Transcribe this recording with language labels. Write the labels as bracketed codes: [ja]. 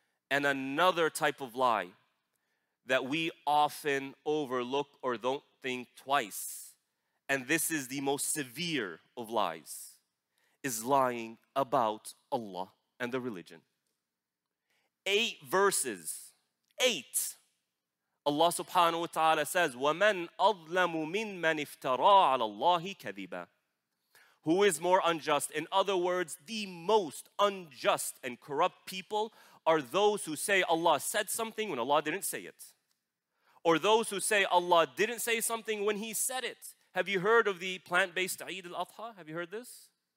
[en] And another type of lie that we often overlook or don't think twice, and this is the most severe of lies, is lying about Allah and the religion. Eight verses, eight. Allah subhanahu wa ta'ala says, [ar] وَمَنْ أَظْلَمُ مِنْ مَنِ افْتَرَىٰ عَلَى اللَّهِ كَذِبًا. [en] Who is more unjust? In other words, the most unjust and corrupt people are those who say Allah said something when Allah didn't say it. Or those who say Allah didn't say something when He said it. Have you heard of the plant-based Eid al-Adha? Have you heard this?